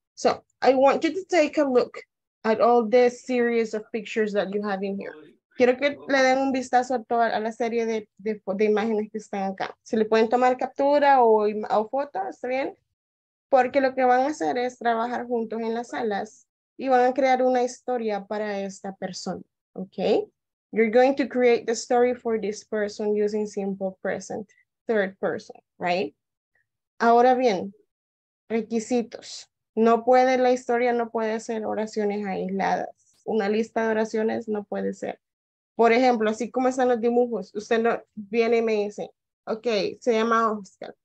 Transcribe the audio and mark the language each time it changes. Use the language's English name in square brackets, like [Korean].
[English] So I want you to take a look at all the series of pictures that you have in here. [Spanish] Quiero que le den un vistazo a toda a la serie de imágenes que están acá. Si le pueden tomar captura o foto, está bien. Porque lo que van a hacer es trabajar juntos en las salas y van a crear una historia para esta persona. Okay? [English] You're going to create the story for this person using simple present, third person, right? [Spanish] Ahora bien, requisitos. No puede la historia, no puede ser oraciones aisladas. Una lista de oraciones no puede ser. Por ejemplo, así como están los dibujos, usted no viene y me dice, okay, se llama Oscar.